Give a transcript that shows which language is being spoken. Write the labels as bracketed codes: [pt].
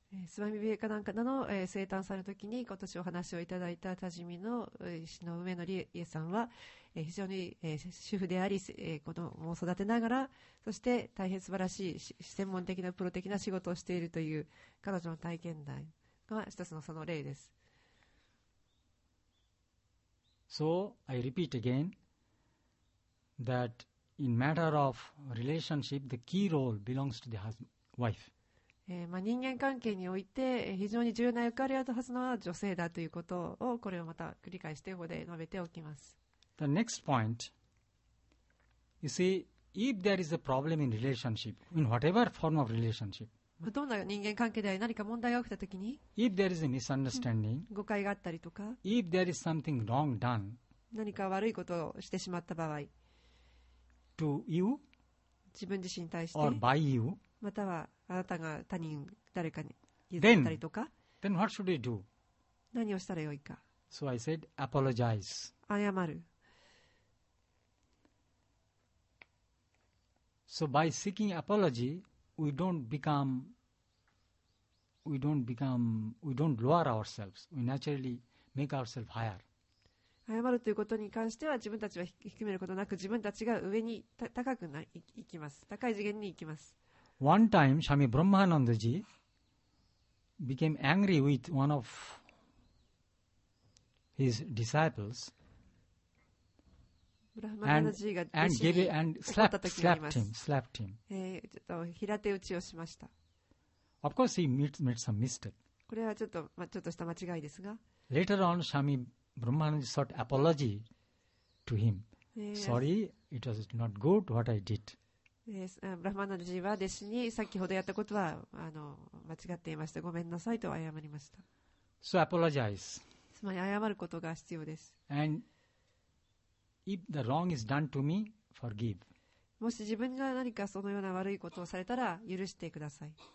[ja] Swami Vivekananda の生誕祭の時に今年お話をいただいた Tajimi の石の上のリエさんは、非常に主婦であり子供を育てながら、そして大変素晴らしい専門的なプロ的な仕事をしているという彼女の体験談が一つのその例です。 [en] So I repeat again, that in matter of relationship, the key role belongs to the wife. [ja] まあ、人間関係において非常に重要な役割を果たすのは女性だということをこれをまた繰り返してここで述べておきます。 [en] The next point, you see, if there is a problem in relationship, in whatever form of relationship, [ja] どんな人間関係で何か問題が起きたときに、 [en] if there is a misunderstanding, [ja] 誤解があったりとか、 [en] if there is something wrong done, [ja] 何か悪いことをしてしまった場合、 [en] to you, [ja] 自分自身に対して、 [en] or by you, [ja] またはあなたが他人誰かに譲ったりとか、 [en] then what should we do? [ja] 何をしたらよいか。 [en] So I said, apologize. [ja] 謝る。 [en] So by seeking apology, we don't lower ourselves. We naturally make ourselves higher. [ja] 謝るということに関しては自分たちは低めることなく自分たちが上に高くいきます。高い次元に行きます。 [en] One time, Swami Brahmananda ji became angry with one of his disciples and slapped him. [ja] ちょっと平手打ちをしました。 [en] Of course, he made some mistake. [ja] これはちょっとした間違いですが。 [en] Later on, Swami Brahmananda sought apology to him. Sorry, it was not good what I did. [ja] ブラハマナジーは弟子に先ほどやったことは間違っていました。ごめんなさいと謝りました。 [en] So apologize. [ja] つまり謝ることが必要です。 [en] And if the wrong is done to me, forgive. [ja] もし自分が何かそのような悪いことをされたら許してください。